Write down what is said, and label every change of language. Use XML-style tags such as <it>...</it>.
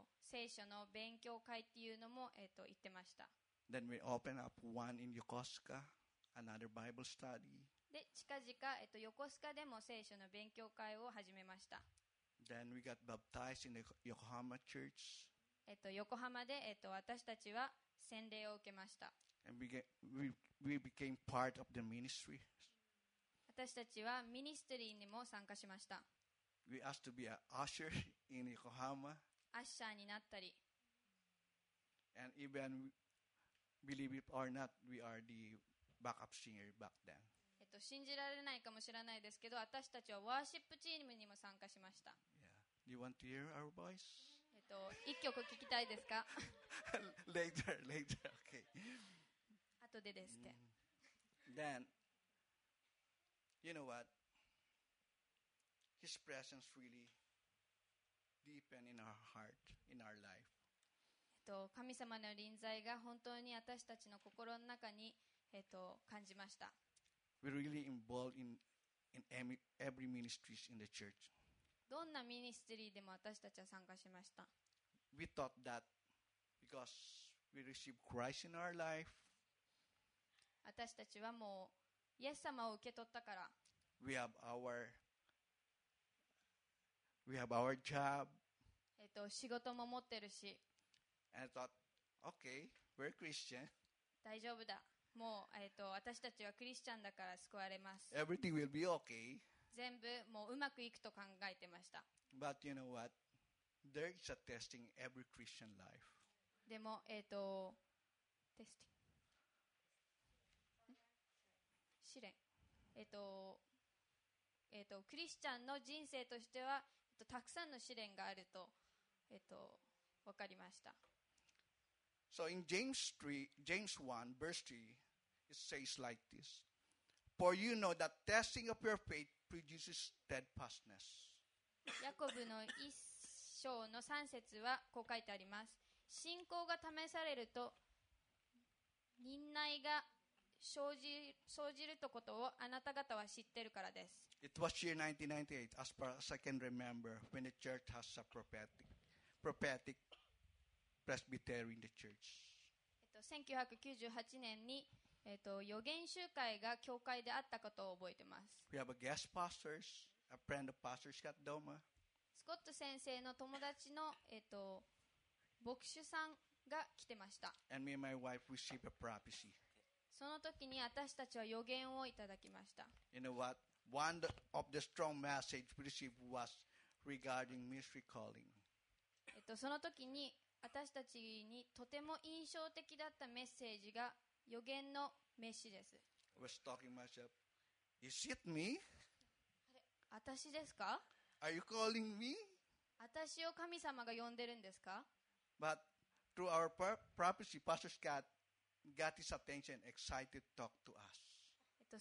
<ja>聖書の勉強会っていうのも、行ってました。</ja> <en>Then we open up one in Yokosuka, another Bible study.</en> <ja>で、近々、横須賀でも聖書の勉強会を始めました。</ja> <en>Then we got baptized in the Yokohama church.</en> <ja>横浜で、私たちは洗礼を受けました。</ja> <en>And we became part of the ministry.</en> <ja>私たちはミニストリーにも参加しました。</ja> <en>We asked to be an usher in Yokohama.</en> <ja>アッシャーになったり。</ja> <en>And even believe it or not, we are the backup singer back then.</en> <ja>信じられないかもしれないですけど、私たちはワーシップチームにも参加しました。</ja> <en>Yeah. Do you want to hear our voice?</en> <ja>一曲聞きたいですか</ja> <en>Later, later, okay.</en> <ja>後でですって。</ja> <en>Then, you know what? His presence really deepened in our heart, in our life.</en> <ja>神様の臨在が本当に私たちの心の中に、感じました。</ja> <en>We're really involved in every ministries in the church.</en> <ja>どんなミニストリーでも私たちは参加しました。</ja> <en>We thought that because we received Christ in our life,</en> <ja>私たちはもうイエス様を受け取ったから。</ja> <en>We have our job.</en> <ja>仕事も持ってるし。</ja> <en>And I thought, okay, we're Christian.</en> <ja>大丈夫だ。もう、私たちはクリスチャンだから救われます。</ja> <en>Everything will be okay.</en> <ja>全部もううまくいくと考えてました。</ja> <en>But you know what? There is a testing every Christian life.</en> <ja>でも、テスティング。試練。クリスチャンの人生としては、たくさんの試練があると、分かりました。</ja> <en>So in James 1, verse 3,It says like this: For you know that testing of your faith produces steadfastness.</en> <ja>ヤコブの一章の三節はこう書いてあります。信仰が試されると忍耐が生じることをあなた方は知ってるからです。</ja> <en>It was year 1998, as far as I can remember, when the church has a prophetic presbytery in the church.</en> <ja>1998年に預言集会が教会であったことを覚えてます。</ja> <en>We have a guest pastor, a friend of Pastor Scott Doma.</en> <ja>スコット先生の友達の、牧師さんが来てました。</ja> <en>And me and my wife received a prophecy.</en> <ja>その時に私たちは預言をいただきました。</ja> <en>You know what? One of the strong message we received was regarding ministry calling.</en> <ja>その時に私たちにとても印象的だったメッセージが予言の召しです。</ja> <en>I was talking myself. Is it me?</en> <ja>あれ、私ですか?</ja> <en>Are you calling me?</en> <ja>私を神様が呼んでるんですか?</ja> <en>But through our prophecy, Pastor Scott got his attention, excited to talk to us.</en>